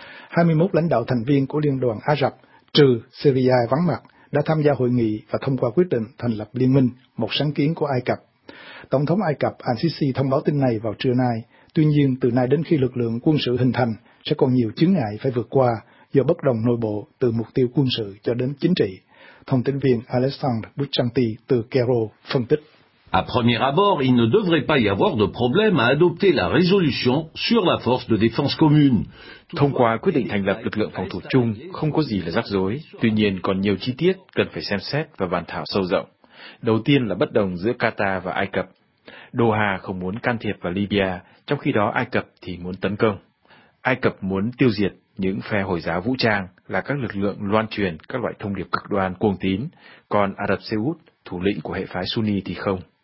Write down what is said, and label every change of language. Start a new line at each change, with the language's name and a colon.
Vietnamese: 21 lãnh đạo thành viên của Liên đoàn Ả Rập trừ Syria vắng mặt đã tham gia hội nghị và thông qua quyết định thành lập liên minh, một sáng kiến của Ai Cập. Tổng thống Ai Cập Al-Sisi thông báo tin này vào trưa nay, tuy nhiên từ nay đến khi lực lượng quân sự hình thành sẽ còn nhiều chướng ngại phải vượt qua do bất đồng nội bộ từ mục tiêu quân sự cho đến chính trị. Thông tin viên Alexandre Bouchanti từ Cairo phân tích.
French: À premier abord, il ne devrait pas y avoir de problème à adopter la résolution sur la force de défense commune.
Vietnamese: Thông qua quyết định thành lập lực lượng phòng thủ chung, không có gì là rắc rối, tuy nhiên còn nhiều chi tiết cần phải xem xét và bàn thảo sâu rộng. Đầu tiên là bất đồng giữa Qatar và Ai Cập. Doha không muốn can thiệp vào Libya, trong khi đó Ai Cập thì muốn tấn công. Ai Cập muốn tiêu diệt những phe Hồi giáo vũ trang là các lực lượng loan truyền các loại thông điệp cực đoan cuồng tín, còn Ả Rập Xê Út, thủ lĩnh của hệ phái Sunni thì không.